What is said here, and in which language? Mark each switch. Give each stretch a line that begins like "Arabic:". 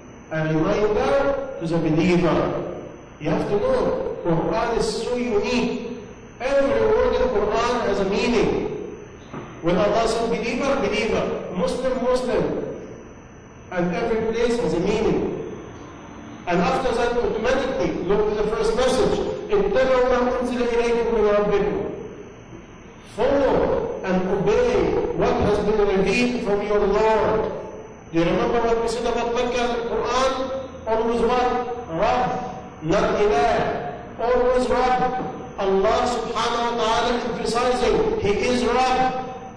English: A reminder to the believer. You have to know, Quran is so unique. Every word in Quran has a meaning. When Allah said believer, believer. Muslim, Muslim. And every place has a meaning. And after that, automatically, look to the first message.
Arabic: اتبعوا ما أنزل إليكم من ربكم.
English: Follow and obey what has been revealed from your Lord. Do you remember what we said about Mecca in the Quran? Always what? Rab, not Ilah. Always Rab. Allah subhanahu wa ta'ala emphasizing, He is Rab.